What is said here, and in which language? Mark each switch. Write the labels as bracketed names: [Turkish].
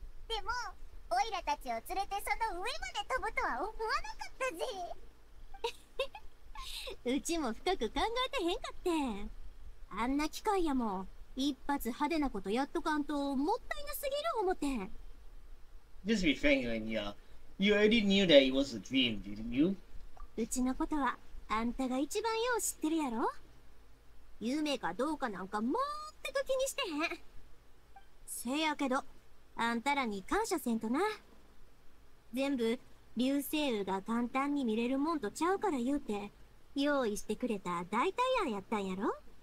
[Japanese] でもおいらたちを連れてその上まで飛ぶとは思わなかったぜ。うちも深く考えてへんかって。あんな機械やもん、一発派手なことやっとかんともったいなすぎる思て。 [English] Just be frank, Anya. You already knew that it was a dream, didn't you? [Japanese] うちのことはあんたが一番よう知ってるやろ。夢かどうかなんかもってく気にしてへん。せやけど、あんたらに感謝せんとな。全部流星雨が簡単に見れるもんとちゃうから言うて用意してくれた代替案やったんやろ。